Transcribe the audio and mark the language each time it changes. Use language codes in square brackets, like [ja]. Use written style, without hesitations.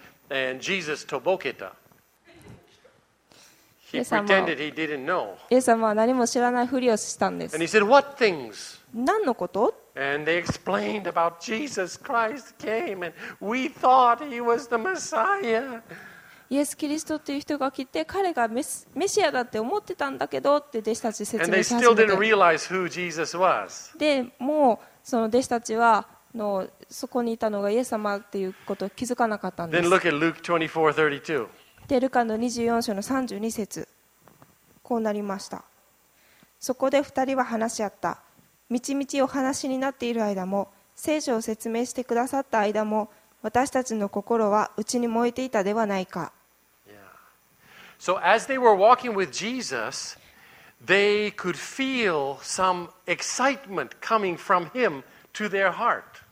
[en] And Jesus [ja] とぼけた。 [en] He pretended he didn't know. [ja] イエス様は何も知らないふりをしたんです。 [en] And he said, What things? [ja] 何のこと？ [en] And they explained about Jesus Christ came and we thought he was the Messiah. [ja] イエス・キリストっていう人が来て彼がメシアだって思ってたんだけどって弟子たち説明し始めて。 [en] And they still didn't realize who Jesus was. [ja] でもうその弟子たちはのそこにいたのがイエス様っていうことを気づかなかったんです。 [en] Then look at Luke 24:32. [ja] でルカの24章の32節こうなりました。そこで二人は話し合った。みちみちお話になっている間も聖書を説明してくださった間も私たちの心はうちに燃えていたではないか。 [en] So as they were walking with Jesus, they could feel some excitement coming from him to their heart.